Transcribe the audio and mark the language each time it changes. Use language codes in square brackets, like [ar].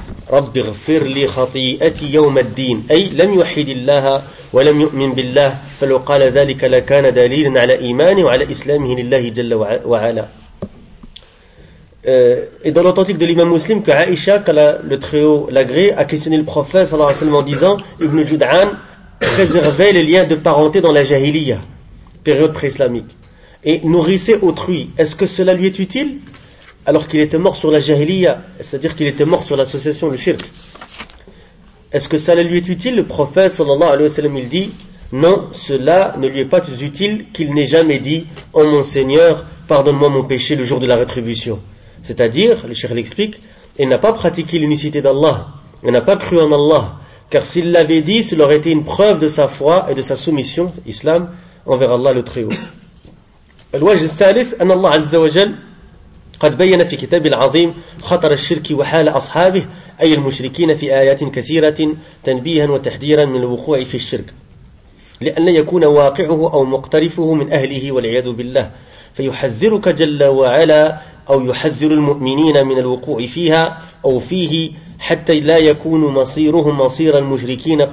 [ar] رب اغفر لي خطيئتي يوم الدين أي لم يوحد الله ولم يؤمن بالله فلو قال ذلك لكان دليلا على إيمانه وعلى إسلامه لله جل وعلا. [fr] Et dans l'authentique de l'imam muslim que Aïcha, le Très-Haut l'agré, a questionné le prophète sallallahu alayhi wa sallam en disant Ibn Jud'an préservait les liens de parenté dans la jahiliya, période pré-islamique, et nourrissait autrui. Est-ce que cela lui est utile alors qu'il était mort sur la jahiliya, c'est-à-dire qu'il était mort sur l'association, le shirk? Est-ce que cela lui est utile? Le prophète sallallahu alayhi wa sallam il dit non, cela ne lui est pas utile qu'il n'ait jamais dit oh mon Seigneur, pardonne-moi mon péché le jour de la rétribution. C'est-à-dire, le cheikh l'explique, il n'a pas pratiqué l'unicité d'Allah, il n'a pas cru en Allah, car s'il l'avait dit, cela aurait été une preuve de sa foi et de sa soumission, islam, envers Allah le Très-Haut. [ar] الوجه الثالث أن الله عز وجل قد بين في كتاب العظيم خطر الشرك وحال أصحابه أي المشركين في آيات كثيرة تنبيها وتحذيرا من الوقوع في الشرك لأن يكون واقعه أو مقترفه من أهله والعياذ بالله فيحذرك جل وعلا أو يحذر المؤمنين من الوقوع فيها أو فيه حتى لا يكون مصيرهم مصير المشركين.